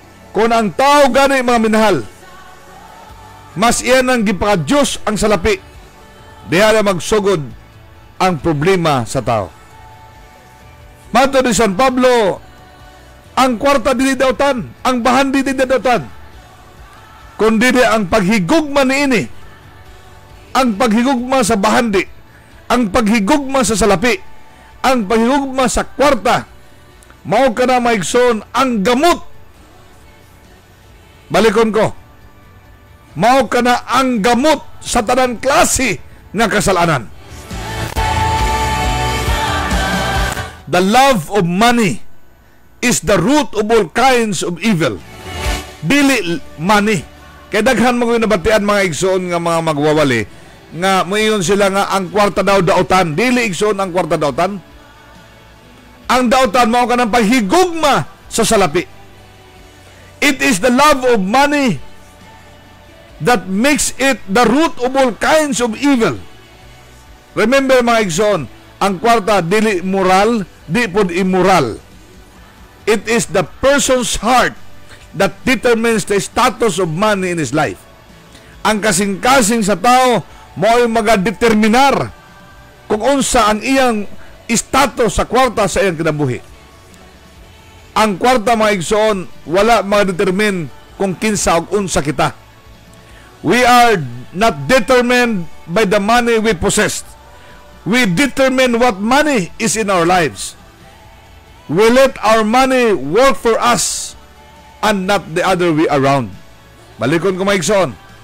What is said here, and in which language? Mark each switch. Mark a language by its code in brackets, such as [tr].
[ceb] Kung ang tao gani mga minahal, mas iyan ang gipaka-Diyos ang salapi, diha na magsugod ang problema sa tao. Mato ni San Pablo, ang kwarta di dautan, ang bahan di dautan, kundi di ang paghigugma ni ini, ang paghigugma sa bahandi, ang paghigugma sa salapi, ang paghigugma sa kwarta, mao ka na maigsoon ang gamot. Balikon ko, mao ka na ang gamot sa tanan klase ng kasalanan. [en] The love of money is the root of all kinds of evil. [ceb] Dili money. Kaya daghan mo yung nabatian mga igsoon nga mga magwawali nga mayon sila nga ang kwarta daw daotan. Dili igsoon ang kwarta daotan. Ang daotan mao ka ng paghigugma sa salapi. [en] It is the love of money that makes it the root of all kinds of evil. [ceb] Remember mga igsoon, ang kwarta dili moral, di pod immoral. [en] It is the person's heart that determines the status of money in his life. [ceb] Ang kasing-kasing sa tao mao'y magadeterminar kung unsa ang iyang status sa kwarta sa iyang kinabuhi. Ang kwarta mga igsoon wala magadetermine kung kinsa o unsa kita. [en] We are not determined by the money we possess. We determine what money is in our lives. We let our money work for us and not the other way around. [ceb] Balikon ko maigsoon.